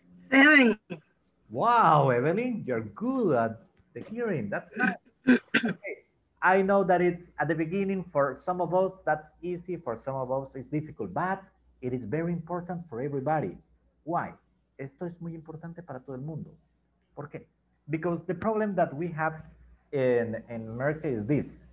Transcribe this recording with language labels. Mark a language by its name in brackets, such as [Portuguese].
[English] 7. Wow, Evelyn, you're good at the hearing. That's nice. Okay. I know that it's at the beginning for some of us, that's easy. For some of us, it's difficult, but it is very important for everybody. Why? [Spanish] Esto es muy importante para todo el mundo. ¿Por qué? [English] Because the problem that we have in America is this.